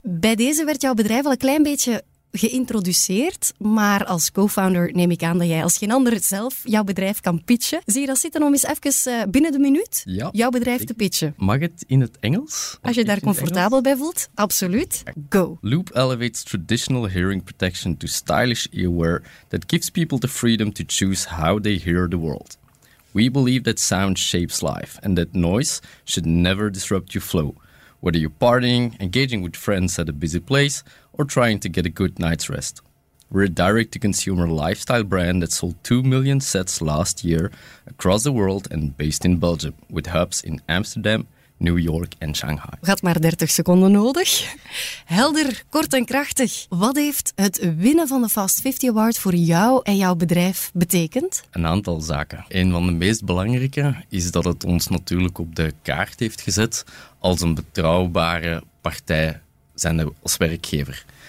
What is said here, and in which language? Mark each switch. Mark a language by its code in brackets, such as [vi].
[nl] Bij deze werd jouw bedrijf al een klein beetje geïntroduceerd, maar als co-founder neem ik aan dat jij als geen ander zelf jouw bedrijf kan pitchen. Zie je dat zitten om eens even binnen de minuut jouw bedrijf te pitchen? Mag het in het Engels? Als je daar comfortabel bij voelt, absoluut. [en] Go! Loop elevates traditional hearing protection to stylish earwear that gives people the freedom to choose how they hear the world. We believe that sound shapes life and that noise should never disrupt your flow. Whether you're partying, engaging with friends at a busy place, or trying to get a good night's rest. We're a direct-to-consumer lifestyle brand that sold 2 million sets last year across the world and based in Belgium, with hubs in Amsterdam, New York en Shanghai. [nl] Gaat maar 30 seconden nodig. Helder, kort en krachtig. Wat heeft het winnen van de Fast 50 Award voor jou en jouw bedrijf betekend? Een aantal zaken. Een van de meest belangrijke is dat het ons natuurlijk op de kaart heeft gezet als een betrouwbare partij zijn als werkgever.